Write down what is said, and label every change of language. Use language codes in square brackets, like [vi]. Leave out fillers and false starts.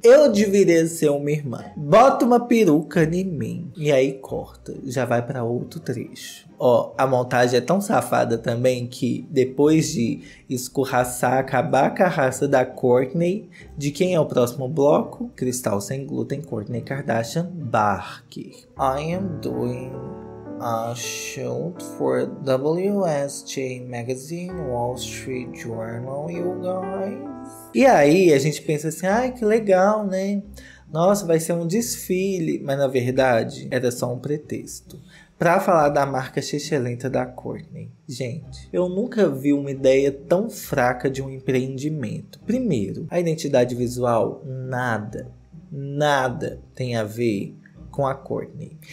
[pt] Eu deveria ser uma irmã. Bota uma peruca em mim. E aí corta, já vai pra outro trecho. Ó, a montagem é tão safada também que depois de escorraçar, acabar com a raça da Courtney, de quem é o próximo bloco? Cristal sem glúten, Courtney Kardashian Barker. [en] I am doing a shoot for WSJ Magazine, Wall Street Journal, you guys. [pt] E aí a gente pensa assim: ai, que legal, né? Nossa, vai ser um desfile. Mas na verdade, era só um pretexto pra falar da marca Xixelenta da Courtney. Gente, eu nunca vi uma ideia tão fraca de um empreendimento. Primeiro, a identidade visual nada, nada tem a ver com a Courtney.